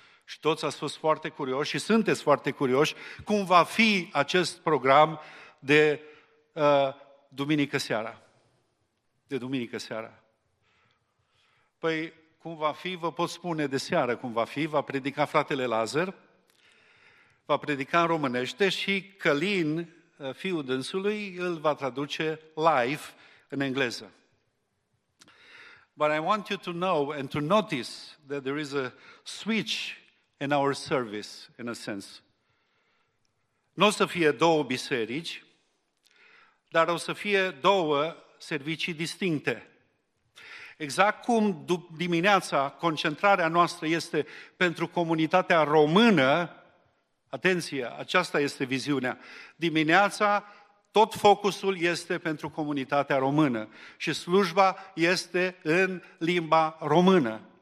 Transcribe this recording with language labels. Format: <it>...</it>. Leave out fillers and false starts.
<ro>Și toți ați fost foarte curioși și sunteți foarte curioși cum va fi acest program de duminică seara. De duminică seara. Păi, cum va fi, vă pot spune de seară cum va fi, va predica fratele Lazar, va predica în românește și Călin, fiul dânsului, îl va traduce live în engleză.</ro> <en>But I want you to know and to notice that there is a switch in our service, in a sense.</en> <ro>Nu o să fie două biserici, dar o să fie două servicii distincte. Exact cum dimineața concentrarea noastră este pentru comunitatea română, atenție, aceasta este viziunea, dimineața tot focusul este pentru comunitatea română și slujba este în limba română.</ro>